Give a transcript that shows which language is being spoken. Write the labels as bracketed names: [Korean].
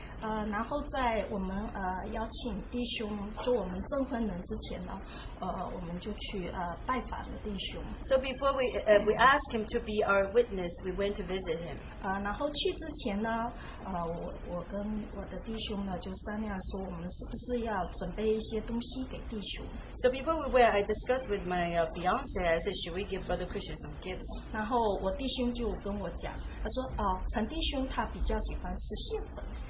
[Chinese] 然后在我们邀请弟兄做我们证婚人之前呢，我们就去拜访了弟兄。 [English] So before we asked him to be our witness, we went to visit him. [Chinese] 然后去之前呢，我跟我的弟兄呢就商量说，我们是不是要准备一些东西给弟兄。 [English] So before we went, I discussed with my fiance. I said, should we give Brother Christian some gifts? [Chinese] 然后我弟兄就跟我讲，他说陈弟兄他比较喜欢吃蟹粉。